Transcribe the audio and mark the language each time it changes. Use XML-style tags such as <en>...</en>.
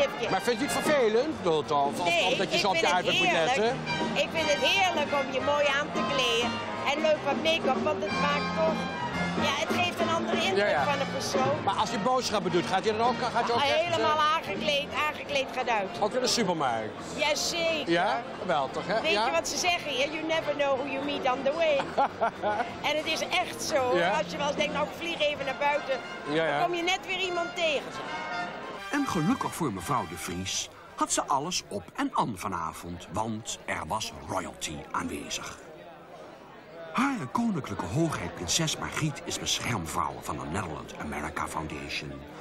<nl>Maar vind je het vervelend, Dolthof, omdat je zo op je uiterlijk moet letten? Ik vind het heerlijk om je mooi aan te kleden en leuk wat make-up, want het maakt toch... Ja, het geeft een andere indruk van een persoon. Maar als je boodschappen doet, gaat je dan ook... Gaat je ook helemaal echt, aangekleed gaat uit. Ook in de supermarkt? Jazeker. Ja? Wel, toch, hè? Weet je wat ze zeggen?</nl> <en>You never know who you meet on the way.</en> <nl>En het is echt zo. Ja? Als je wel eens denkt, nou, ik vlieg even naar buiten, dan kom je net weer iemand tegen. En gelukkig voor mevrouw de Vries had ze alles op en aan vanavond, want er was royalty aanwezig. Haar koninklijke hoogheid prinses Margriet is beschermvrouw van de Netherland America Foundation.</nl>